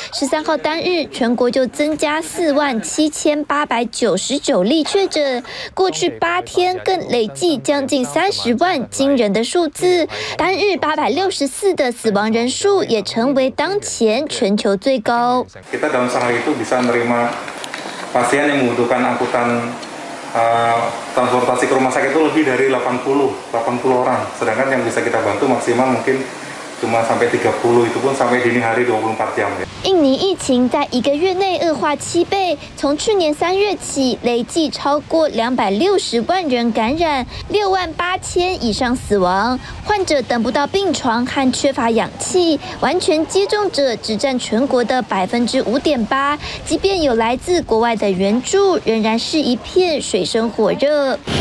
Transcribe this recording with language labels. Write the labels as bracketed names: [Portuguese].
[Chinese] 13号单日全国就增加47899例确诊，过去8天更累计将近30万惊人的数字，单日864的死亡人数也成为当前全球最高。 [Indonesian] kita dalam sehari itu bisa menerima pasien yang membutuhkan angkutanTransportasi ke rumah sakit itu lebih dari 80 orang, sedangkan yang bisa kita bantu maksimal mungkin cuma sampai 30, itu pun sampai dini hari 24 jam. [Chinese] 印尼疫情在一个月内恶化七倍，从去年三月起累计超过260万人感染，68000以上死亡，患者等不到病床和缺乏氧气，完全接种者只占全国的5.8%，即便有来自国外的援助，仍然是一片水深火热。